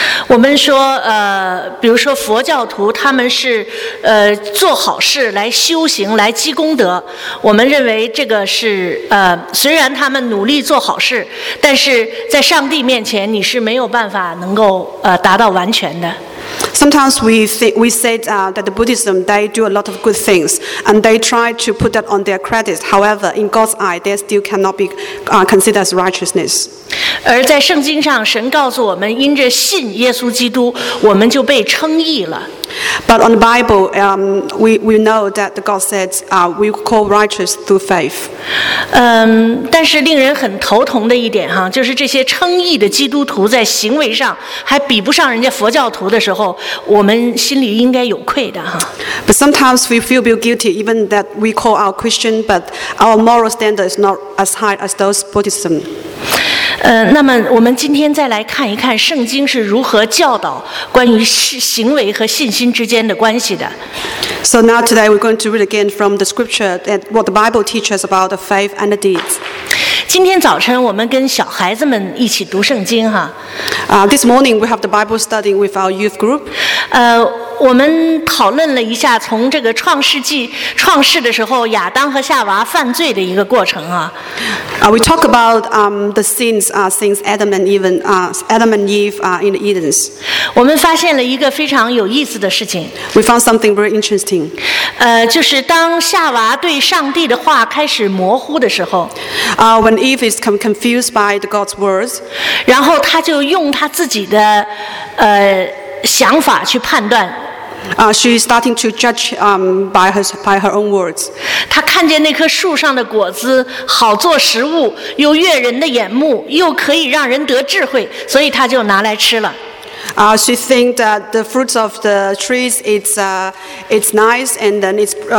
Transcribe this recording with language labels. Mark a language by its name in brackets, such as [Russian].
[Chinese] 我们说比如说佛教徒他们是做好事来修行来积功德，我们认为这个是虽然他们努力做好事，但是在上帝面前你是没有办法能够达到完全的。 [English] Sometimes we say that the Buddhism, they do a lot of good things, and they try to put that on their credit. However, in God's eye, they still cannot be considered as righteousness. [Chinese] 而在圣经上，神告诉我们，因着信耶稣基督，我们就被称义了。 [English] But on the Bible, we know that God says we call righteous through faith. [Chinese] 但是令人很头疼的一点哈，就是这些称义的基督徒在行为上还比不上人家佛教徒的时候，我们心里应该有愧的哈。 [English] But sometimes we feel guilty even that we call our Christian, but our moral standard is not as high as those Buddhism. [Chinese] 那么我们今天再来看一看圣经是如何教导关于行为和信心之间的关系的。 [English] So now today we're going to read again from the scripture that what the Bible teaches about the faith and the deeds. [Chinese] 今天早晨我们跟小孩子们一起读圣经哈。 [English] This morning we have the Bible study with our youth group. [Chinese] 我们讨论了一下从这个创世纪创世的时候亚当和夏娃犯罪的一个过程啊。 [English] We talk about the sins since Adam and Eve in the Edens. [Chinese] 我们发现了一个非常有意思的事情。 [English] We found something very interesting. [Chinese] 就是当夏娃对上帝的话开始模糊的时候。 [English] When Eve is confused by God's words. [Chinese] 然后他就用他自己的想法去判断。 [English] She's starting to judge by her own words. [Chinese] 她看见那棵树上的果子好做食物，又悦人的眼目，又可以让人得智慧，所以她就拿来吃了。 [English] She thinks that the fruits of the trees it's nice and then it's